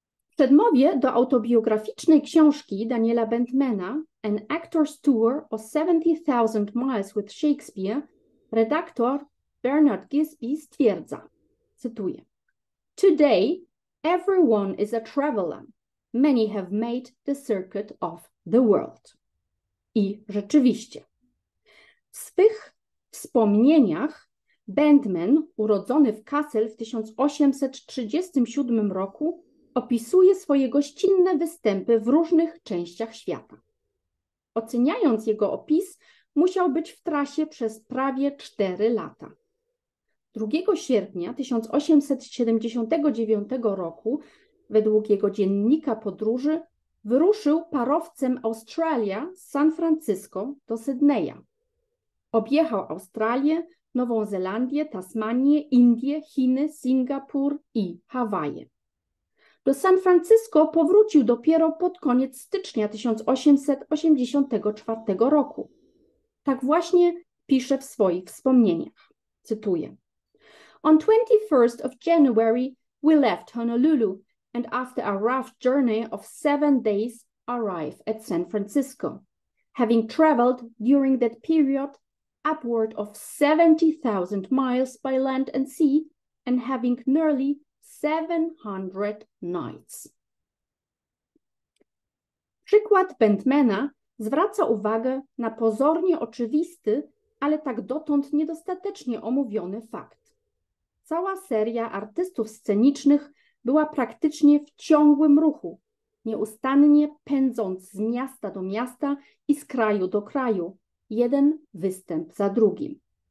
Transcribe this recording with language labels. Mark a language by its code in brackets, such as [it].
[pl] W przedmowie do autobiograficznej książki Daniela Bentmana An Actor's Tour o 70,000 Miles with Shakespeare redaktor Bernard Gisby stwierdza, cytuję: [en] Today everyone is a traveler. Many have made the circuit of the world. [pl] I rzeczywiście. W swych wspomnieniach Bentman, urodzony w Kassel w 1837 roku, opisuje swoje gościnne występy w różnych częściach świata. Oceniając jego opis, musiał być w trasie przez prawie 4 lata. 2 sierpnia 1879 roku, według jego dziennika podróży, wyruszył parowcem Australia z San Francisco do Sydneya. Objechał Australię, Nową Zelandię, Tasmanię, Indie, Chiny, Singapur i Hawaje. Do San Francisco powrócił dopiero pod koniec stycznia 1884 roku. Tak właśnie pisze w swoich wspomnieniach. Cytuję. [en] On 21st of January we left Honolulu and after a rough journey of 7 days arrive at San Francisco, having traveled during that period upward of 70,000 miles by land and sea and having nearly 700 nights. [pl] Przykład Bentmana zwraca uwagę na pozornie oczywisty, ale tak dotąd niedostatecznie omówiony fakt. Cała seria artystów scenicznych była praktycznie w ciągłym ruchu, nieustannie pędząc z miasta do miasta i z kraju do kraju, jeden występ za drugim.